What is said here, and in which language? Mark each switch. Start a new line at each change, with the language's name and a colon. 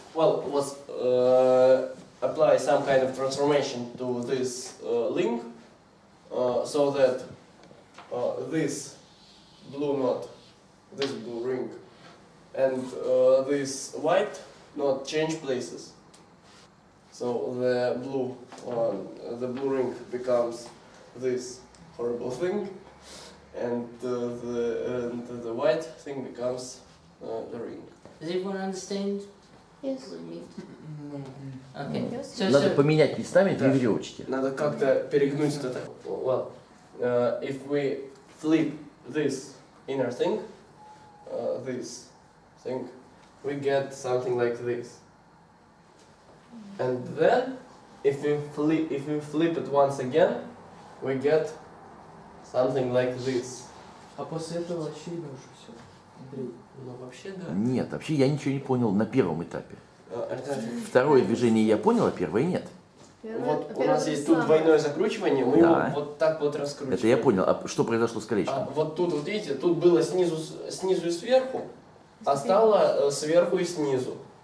English: Well, was apply some kind of transformation to this link so that this blue knot, this blue ring, and this white knot change places. So the blue ring becomes this horrible thing, and the white thing becomes the ring. Does everyone understand? Yes. Okay.
Russian: Надо поменять местами две веревочки. Надо как-то перегнуть это.
English: Well, if we flip this inner thing, this thing, we get something like this. And then, if we flip it once again, we get something like this.
Russian: А после этого вообще идёт уже всё. Андрей, ну вообще да. Нет, вообще я ничего не понял на первом этапе. Это... Второе движение я понял, а первое нет. Вот у нас есть тут двойное закручивание, мы да. Его вот так вот раскручиваем. Это я понял, а что произошло с колечком? А вот тут, вот видите, тут было снизу и сверху, а стало сверху и снизу.